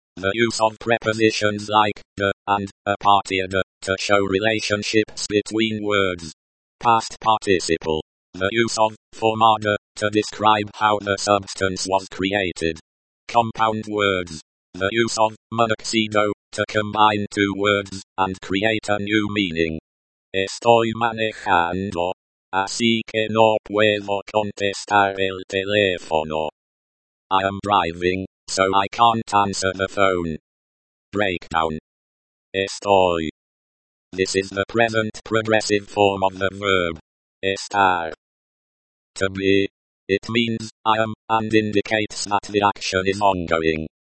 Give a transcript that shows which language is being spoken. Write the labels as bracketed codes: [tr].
[en] The use of prepositions like, the, and, [es] a partir de, [en] to show relationships between words. Past participle. The use of, formada, to describe how the substance was created. Compound words. The use of, monoxido, to combine two words, and create a new meaning. [es] Estoy manejando, así que no puedo contestar el teléfono. [en] I am driving, so I can't answer the phone. Breakdown. Estoy. This is the present progressive form of the verb. Estar. To be. It means, I am, and indicates that the action is ongoing.